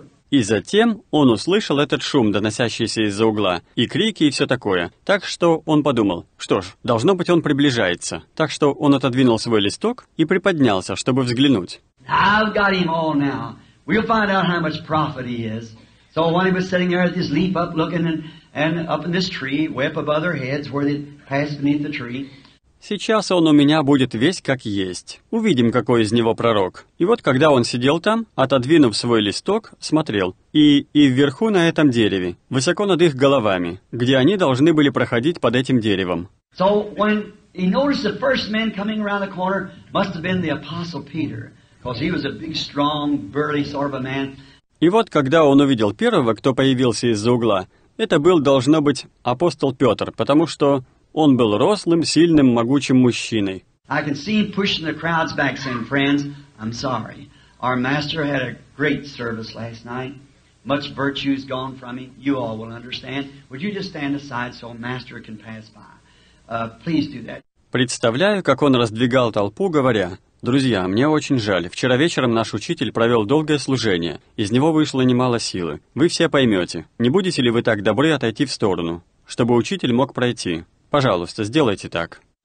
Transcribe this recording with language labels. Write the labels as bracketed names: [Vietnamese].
[Russian] И затем он услышал этот шум, доносящийся из-за угла, и крики, и все такое. Так что он подумал, что ж, должно быть, он приближается. Так что он отодвинул свой листок и приподнялся, чтобы взглянуть. [English] I've got him all now. We'll find out how much profit he is. So while he was sitting there at his leap up looking and up in this tree, way up above their heads where they passed beneath the tree. [Russian] Сейчас он у меня будет весь как есть. Увидим, какой из него пророк. И вот когда он сидел там, отодвинув свой листок, смотрел. И вверху на этом дереве, высоко над их головами, где они должны были проходить под этим деревом. [English] So when he noticed the first man coming around the corner must have been the Apostle Peter. Because he was a big, strong, burly sort of a man. [Russian] И вот, когда он увидел первого, кто появился из-за угла, это был, должно быть, апостол Петр, потому что он был рослым, сильным, могучим мужчиной. [English] I can see him pushing the crowds back, saying, "Friends, I'm sorry. Our master had a great service last night. Much virtue's gone from him. You all will understand. Would you just stand aside so master can pass by? Please do that." [Russian] Представляю, как он раздвигал толпу, говоря. «Друзья, мне очень жаль. Вчера вечером наш учитель провел долгое служение. Из него вышло немало силы. Вы все поймете. Не будете ли вы так добры отойти в сторону, чтобы учитель мог пройти? Пожалуйста, сделайте так».